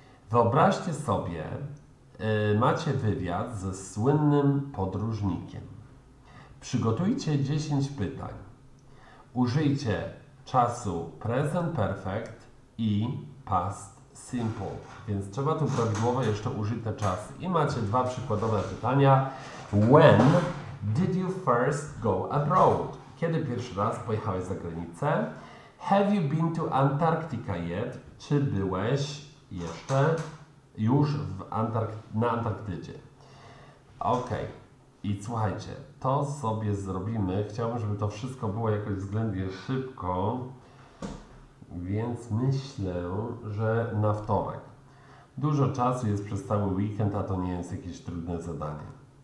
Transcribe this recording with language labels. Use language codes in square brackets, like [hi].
[pl] Wyobraźcie sobie, macie wywiad ze słynnym podróżnikiem. Przygotujcie 10 pytań. Użyjcie czasu present perfect i past simple. Więc trzeba tu prawidłowo jeszcze użyć te czasy. I macie dwa przykładowe pytania. [en] When did you first go abroad? [pl] Kiedy pierwszy raz pojechałeś za granicę? [en] Have you been to Antarctica yet? [pl] Czy byłeś jeszcze już na Antarktydzie? OK. I słuchajcie, to sobie zrobimy. Chciałbym, żeby to wszystko było jakoś względnie szybko. więc myślę, że na wtorek. Dużo czasu jest przez cały weekend, a to nie jest jakieś trudne zadanie.